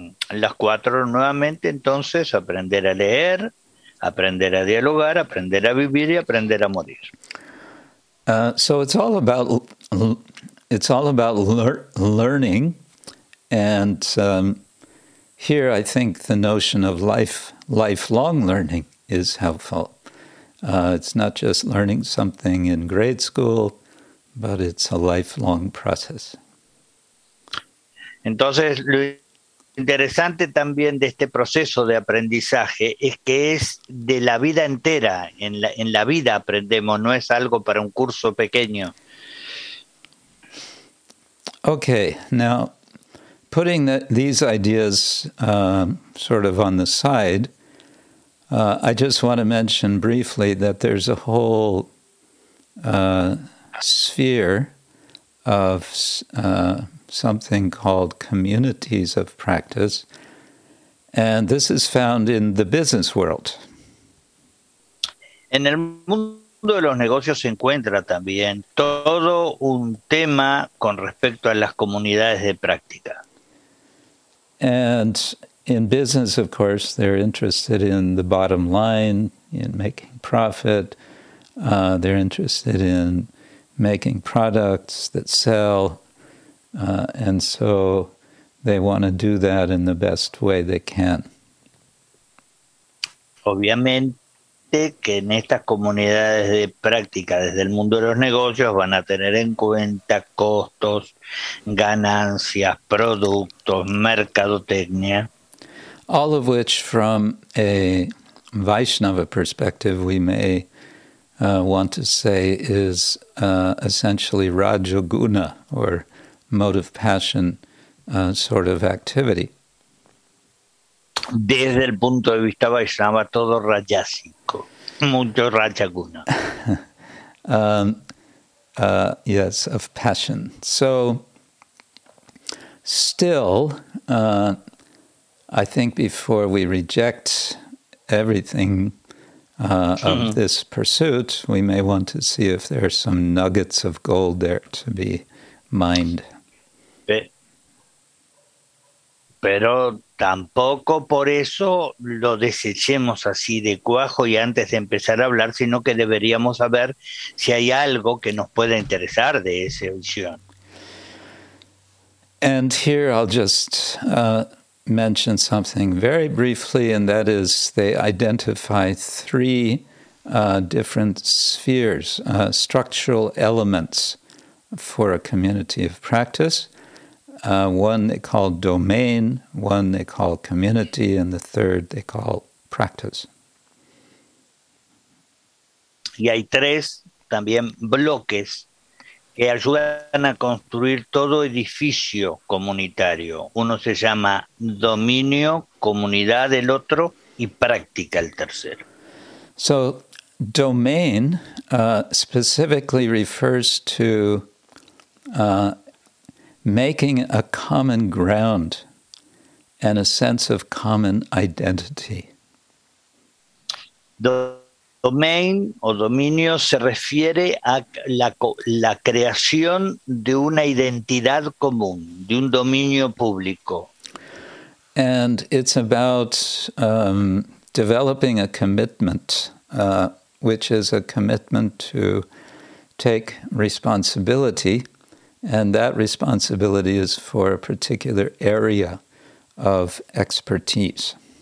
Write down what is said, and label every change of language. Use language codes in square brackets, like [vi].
[es] Las cuatro nuevamente, entonces, aprender a leer, aprender a dialogar, aprender a vivir y aprender a morir. [en] So it's all about learning, and here I think the notion of lifelong learning is helpful. It's not just learning something in grade school, but it's a lifelong process. [es] Entonces, lo interesante también de este proceso de aprendizaje es que es de la vida entera. En la vida aprendemos, no es algo para un curso pequeño. [en] Okay, now, putting these ideas sort of on the side, I just want to mention briefly that there's a whole sphere of something called communities of practice, and this is found in the business world. [es] En el mundo de los negocios se encuentra también todo un tema con respecto a las comunidades de práctica. [en] And in business, of course, they're interested in the bottom line, in making profit. They're interested in making products that sell. And so they want to do that in the best way they can. [es] Obviamente que en estas comunidades de práctica, desde el mundo de los negocios, van a tener en cuenta costos, ganancias, productos, mercadotecnia. [en] All of which, from a Vaishnava perspective, we may want to say is essentially rajoguna, or motive passion sort of activity. [es] Desde el punto de vista Vaishnava, todo rayásico, mucho rajaguna. [en] Yes, of passion. So, still, I think before we reject everything of this pursuit, we may want to see if there are some nuggets of gold there to be mined. [es] Pero tampoco por eso lo desechemos así de cuajo y antes de empezar a hablar, sino que deberíamos saber si hay algo que nos pueda interesar de esa visión. [en] And here I'll just mention something very briefly, and that is they identify three different spheres, structural elements for a community of practice. One they call domain, one they call community, and the third they call practice. [es] Y hay tres también bloques que ayudan a construir todo edificio comunitario. Uno se llama dominio, comunidad, el otro, y práctica, el tercero. [en] So, domain specifically refers to making a common ground and a sense of common identity. [es] Domain o dominio se refiere a la creación de una identidad común, de un dominio público. [en] And it's about developing a commitment, which is a commitment to take responsibility. And that responsibility is for a particular area of expertise.